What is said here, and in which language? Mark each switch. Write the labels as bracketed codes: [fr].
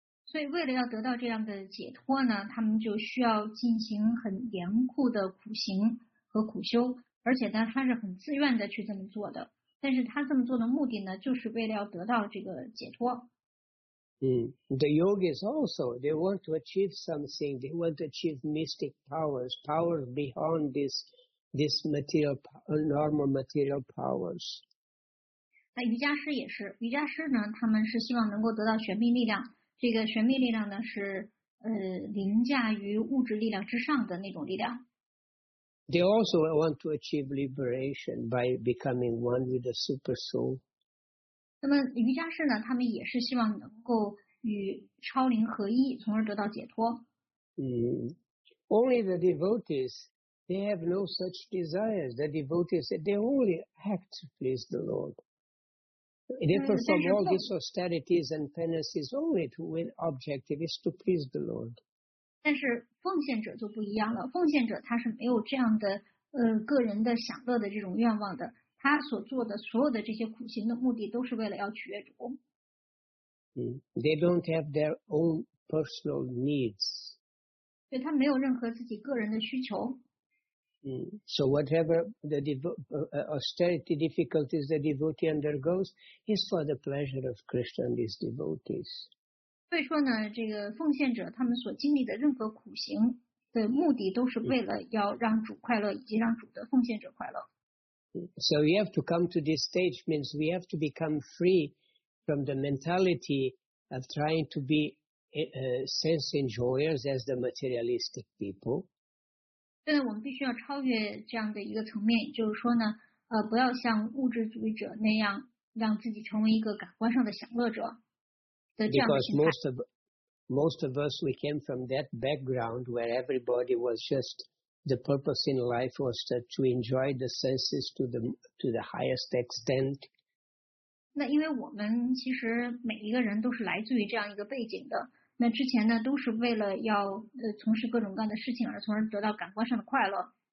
[zh] 所以为了要得到这样的解脱呢，他们就需要进行很严酷的苦行和苦修，而且呢，他是很自愿的去这么做的。但是他这么做的目的呢，就是为了要得到这个解脱。 [en] The yogis also, they want to achieve something. They want to achieve mystic powers, powers beyond this material, normal material powers. [zh] 那瑜伽师也是，瑜伽师呢，他们是希望能够得到玄秘力量。这个玄秘力量呢，是凌驾于物质力量之上的那种力量。 [en] They also want to achieve liberation by becoming one with the super soul. [zh] 那么瑜伽师呢，他们也是希望能够与超灵合一，从而得到解脱。 [en] Only the devotees, they have no such desires. The devotees, they only act to please the Lord. They perform all these austerities and penances only with objective is to please the Lord. [zh] 但是奉献者就不一样了，奉献者他是没有这样的个人的享乐的这种愿望的，他所做的所有的这些苦行的目的都是为了要取悦主。 [en] They don't have their own personal needs. [zh] 对，他没有任何自己个人的需求。 [en] So whatever the austerity difficulties the devotee undergoes is for the pleasure of Krishna and his devotees. [zh] 所以说呢，这个奉献者他们所经历的任何苦行的目的都是为了要让主快乐，以及让主的奉献者快乐。 [en] So we have to come to this stage means we have to become free from the mentality of trying to be sense enjoyers as the materialistic people. [zh] 对，我们必须要超越这样的一个层面，就是说呢，不要像物质主义者那样，让自己成为一个感官上的享乐者的这样的心态。 [en] Because most of us, we came from that background where everybody was just the purpose in life was to enjoy the senses to the highest extent. [zh] 那因为我们其实每一个人都是来自于这样一个背景的。那之前呢，都是为了要从事各种各样的事情，而从而得到感官上的快乐。